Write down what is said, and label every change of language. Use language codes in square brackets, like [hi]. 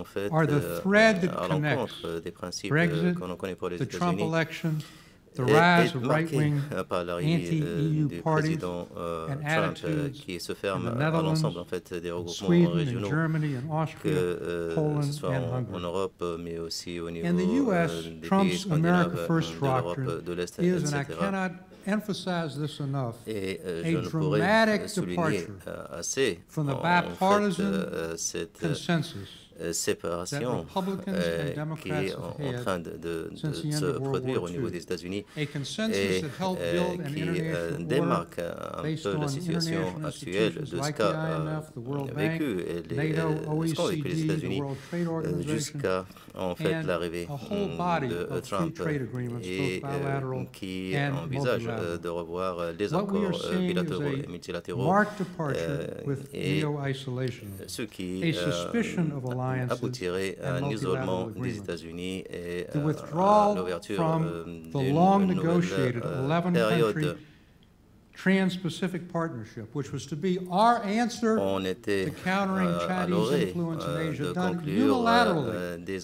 [en] are the thread that connects Brexit, the Trump election, the rise of right-wing anti-EU parties and attitudes in the Netherlands, Sweden, and Germany, and Austria, Poland, and Hungary. In the U.S., Trump's America First doctrine is, and I cannot emphasize this enough, a dramatic departure from the bipartisan consensus [fr] séparation qui est en train de se produire au niveau des États-Unis et qui démarque un peu la situation actuelle de ce qu'a vécu et ce qu'ont vécu les États-Unis jusqu'à en fait l'arrivée de Trump et qui envisage de revoir les accords bilatéraux et multilatéraux et ce qui aboutirait à un isolement des États-Unis et à l'ouverture d'une nouvelle période. [en] Trans-Pacific Partnership, which was to be our answer to countering Chinese influence in Asia, done unilaterally